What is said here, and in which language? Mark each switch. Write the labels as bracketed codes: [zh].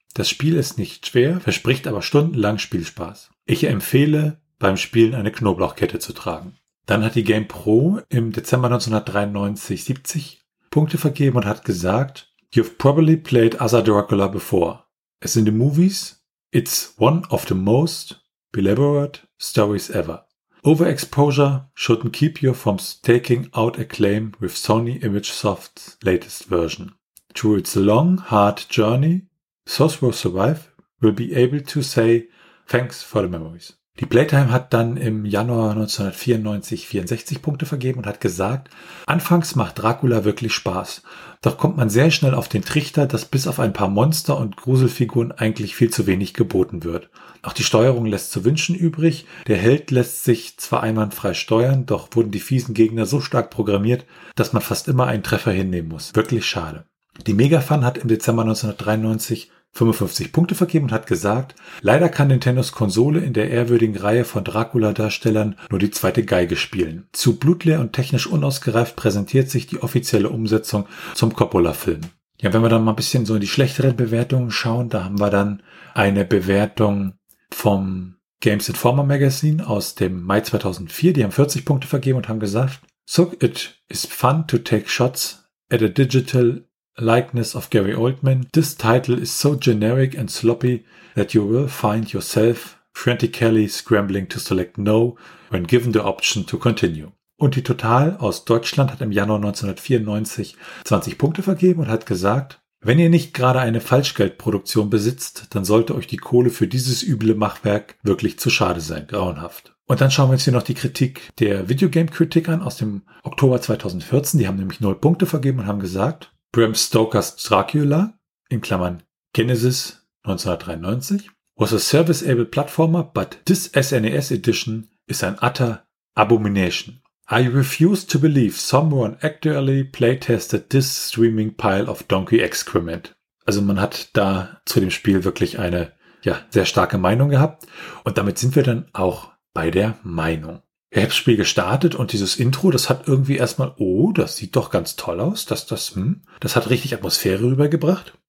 [de] Das Spiel ist nicht schwer, verspricht aber stundenlang Spielspaß. Ich empfehle, beim Spielen eine Knoblauchkette zu tragen. Dann hat die Game Pro im Dezember 1993 70 Punkte vergeben und hat gesagt, [en] You've probably played other Dracula before. As in the movies, it's one of the most elaborate stories ever. Overexposure shouldn't keep you from staking out a claim with Sony Image Soft's latest version. Through its long, hard journey, Sorcerer Survive will be able to say thanks for the memories. [de] Die Playtime hat dann im Januar 1994 64 Punkte vergeben und hat gesagt, anfangs macht Dracula wirklich Spaß. Doch kommt man sehr schnell auf den Trichter, dass bis auf ein paar Monster und Gruselfiguren eigentlich viel zu wenig geboten wird. Auch die Steuerung lässt zu wünschen übrig. Der Held lässt sich zwar einwandfrei steuern, doch wurden die fiesen Gegner so stark programmiert, dass man fast immer einen Treffer hinnehmen muss. Wirklich schade. Die Megafun hat im Dezember 1993 55 Punkte vergeben und hat gesagt, leider kann Nintendos Konsole in der ehrwürdigen Reihe von Dracula-Darstellern nur die zweite Geige spielen. Zu blutleer und technisch unausgereift präsentiert sich die offizielle Umsetzung zum Coppola-Film. Ja, wenn wir dann mal ein bisschen so in die schlechteren Bewertungen schauen, da haben wir dann eine Bewertung vom Games Informer Magazine aus dem Mai 2004. Die haben 40 Punkte vergeben und haben gesagt, [en] so it is fun to take shots at a digital likeness of Gary Oldman. This title is so generic and sloppy that you will find yourself frantically scrambling to select no when given the option to continue. [de] Und die Total aus Deutschland hat im Januar 1994 20 Punkte vergeben und hat gesagt, wenn ihr nicht gerade eine Falschgeldproduktion besitzt, dann sollte euch die Kohle für dieses üble Machwerk wirklich zu schade sein. Grauenhaft. Und dann schauen wir uns hier noch die Kritik der Videogame Critic an aus dem Oktober 2014. Die haben nämlich 0 Punkte vergeben und haben gesagt, Bram Stoker's Dracula, in Klammern Genesis 1993, [en] was a service-able platformer, but this SNES edition is an utter abomination. I refuse to believe someone actually playtested this streaming pile of donkey excrement. [de] Also man hat da zu dem Spiel wirklich eine sehr starke Meinung gehabt. Und damit sind wir dann auch bei der Meinung. Ich habe das Spiel gestartet und dieses Intro, das hat irgendwie erstmal, oh, das sieht doch ganz toll aus, das hat richtig Atmosphäre rübergebracht.